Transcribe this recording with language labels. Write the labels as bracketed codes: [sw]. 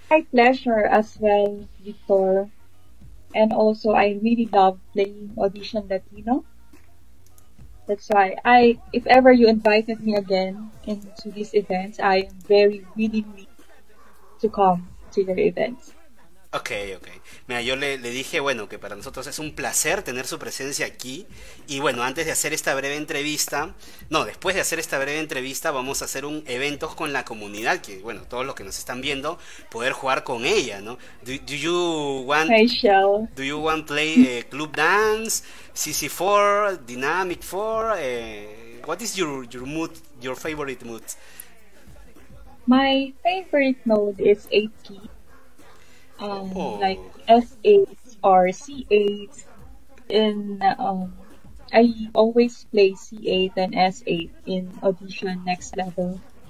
[en] My pleasure as well, Victor. And also, I really love playing Audition Latino. That's why if ever you invited me again into this event, I am very willing to come to your event. Okay, okay. [es] Mira, yo le dije, bueno, que para nosotros es un placer tener su presencia aquí. Y bueno, antes de hacer esta breve entrevista, no, después de hacer esta breve entrevista, vamos a hacer un evento con la comunidad, que bueno, todos los que nos están viendo, poder jugar con ella, ¿no? [en] Do you want play club dance, CC4, Dynamic 4? What is your mood, your favorite mood? My favorite mode is 8-key. Like S8 or C8, and I always play C8 and S8 in Audition Next Level.